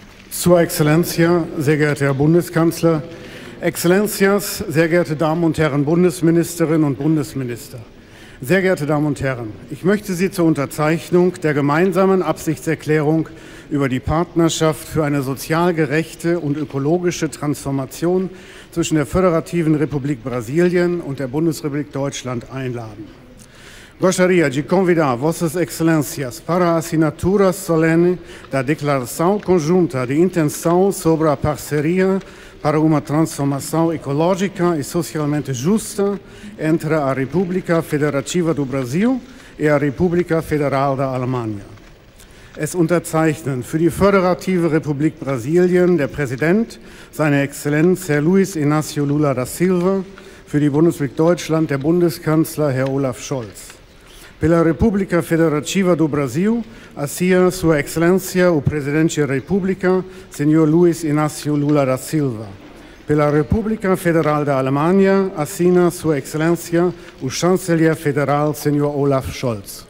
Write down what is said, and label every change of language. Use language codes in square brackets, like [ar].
[pt] Sua Excellencia, [de] sehr geehrter Herr Bundeskanzler, Excellencias, sehr geehrte Damen und Herren Bundesministerinnen und Bundesminister, sehr geehrte Damen und Herren, ich möchte Sie zur Unterzeichnung der gemeinsamen Absichtserklärung über die Partnerschaft für eine sozial gerechte und ökologische Transformation zwischen der Föderativen Republik Brasilien und der Bundesrepublik Deutschland einladen. [pt] Gostaria de convidar Vossas Excelências para a assinatura solene da Declaração Conjunta de Intenção sobre a Parceria para uma Transformação Ecológica e Socialmente Justa entre a República Federativa do Brasil e a República Federal da Alemanha. [de] Es unterzeichnen für die Föderative Republik Brasilien der Präsident, seine Exzellenz Herr Luiz Inácio Lula da Silva, für die Bundesrepublik Deutschland der Bundeskanzler Herr Olaf Scholz. [pt] Pela República Federativa do Brasil, assina Sua Excelência o Presidente da República, Senhor Luiz Inácio Lula da Silva. Pela República Federal da Alemanha, assina Sua Excelência o Chanceler Federal, Senhor Olaf Scholz.